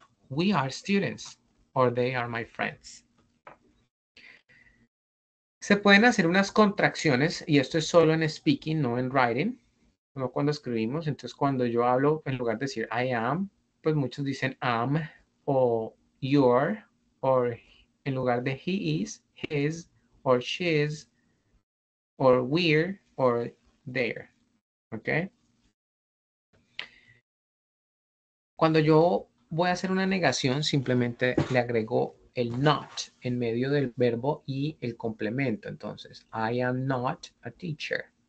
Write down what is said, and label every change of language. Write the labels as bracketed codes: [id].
[en] We are students or they are my friends. [es] Se pueden hacer unas contracciones y esto es solo en speaking, no en writing. No cuando escribimos. Entonces, cuando yo hablo, en lugar de decir I am, pues muchos dicen am o your, o en lugar de he is, his, or she is, or we're, or they're. ¿Ok? Cuando yo voy a hacer una negación, simplemente le agrego el not en medio del verbo y el complemento. [en] Entonces, I am not a teacher.